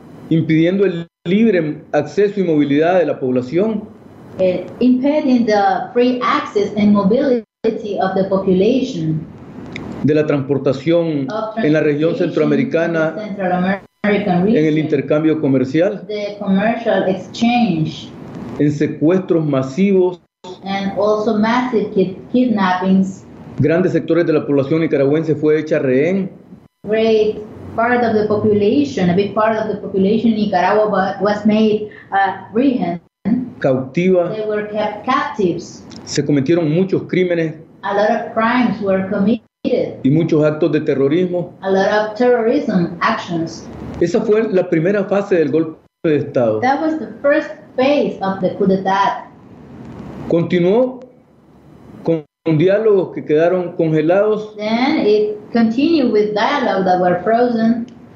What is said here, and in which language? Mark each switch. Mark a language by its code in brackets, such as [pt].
[es] Impidiendo el libre acceso y movilidad de la población. [en] Impeding the free access and mobility of the population. [es] De la transportación en la región centroamericana. [en] Central American region, [es] en el intercambio comercial. [en] The commercial exchange. [es] En secuestros masivos. [en] And also massive kidnappings. [es] Grandes sectores de la población nicaragüense fue hecha rehén. [en] Great part of the population, a big part of the population in Nicaragua was made rehén. [es] Cautiva. [en] They were kept captives. [es] Se cometieron muchos crímenes. [en] A lot of crimes were committed. [es] Y muchos actos de terrorismo. [en] A lot of terrorism actions. [es] Esa fue la primera fase del golpe de estado. [en] That was the first phase of the coup d'etat. [es] Continuó con diálogos que quedaron congelados. [en] Then it continued with dialogue that were frozen.